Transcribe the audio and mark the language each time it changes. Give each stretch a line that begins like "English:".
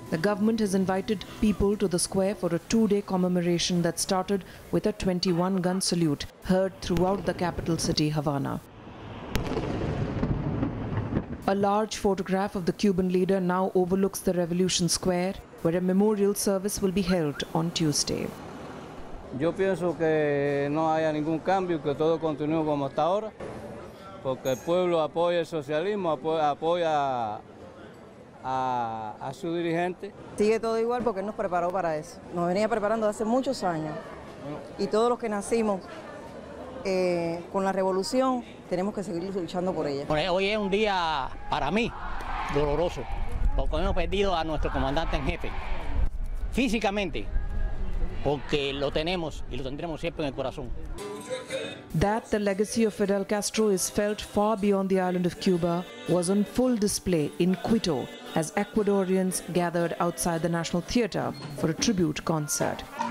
English: The government has invited people to the square for a 2-day commemoration that started with a 21-gun salute heard throughout the capital city, Havana. A large photograph of the Cuban leader now overlooks the Revolution Square, where a memorial service will be held on Tuesday.
Spanish: Yo pienso que no haya ningún cambio, que todo continúe como hasta ahora, porque el pueblo apoya el socialismo, apoya a su dirigente. Sigue todo igual porque él nos preparó para eso. Nos venía preparando hace muchos años. Y todos los que nacimos con la revolución tenemos que seguir luchando por ella. Bueno, hoy es un día para mí doloroso. Porque hemos perdido a nuestro comandante en jefe, físicamente, porque lo tenemos y lo tendremos siempre en el corazón.
English: That the legacy of Fidel Castro is felt far beyond the island of Cuba was on full display in Quito as Ecuadorians gathered outside the National Theater for a tribute concert.